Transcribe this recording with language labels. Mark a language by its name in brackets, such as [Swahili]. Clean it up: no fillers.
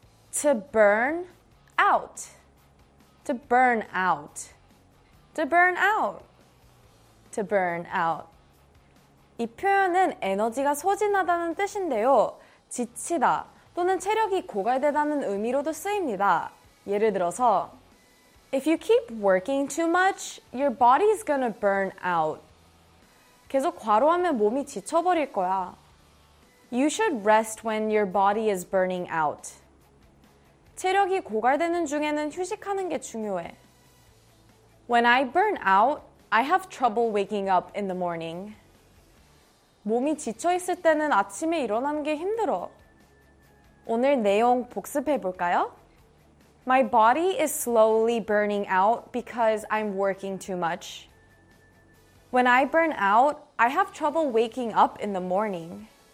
[English] To burn out. To burn out. To burn out. To burn out. [Korean] 이 표현은 에너지가 소진하다는 뜻인데요. 지치다 또는 체력이 고갈되다는 의미로도 쓰입니다. 예를 들어서 [English] If you keep working too much, your body is gonna burn out. [Korean] 계속 과로하면 몸이 지쳐버릴 거야. [English] You should rest when your body is burning out. [Korean] 체력이 고갈되는 중에는 휴식하는 게 중요해. [English] When I burn out, I have trouble waking up in the morning. [Korean] 몸이 지쳐있을 때는 아침에 일어나는 게 힘들어. 오늘 내용 복습해 볼까요? [English] My body is slowly burning out because I'm working too much. When I burn out, I have trouble waking up in the morning.